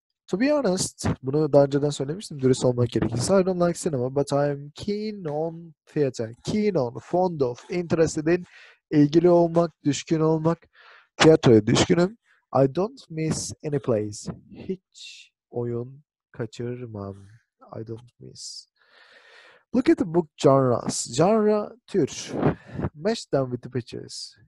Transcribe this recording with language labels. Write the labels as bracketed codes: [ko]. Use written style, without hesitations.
[en] To be honest, [tr] bunu daha önceden söylemiştim, dürüst olmak gerekirse. [en] I don't like cinema, but I am keen on theater. Keen on, fond of, interested in, [tr] ilgili olmak, düşkün olmak. Tiyatroya düşkünüm. [en] I don't miss any plays. [tr] Hiç oyun kaçırmam. [en] I don't miss. Look at the book genres. Genre, tür. Match them with the pictures.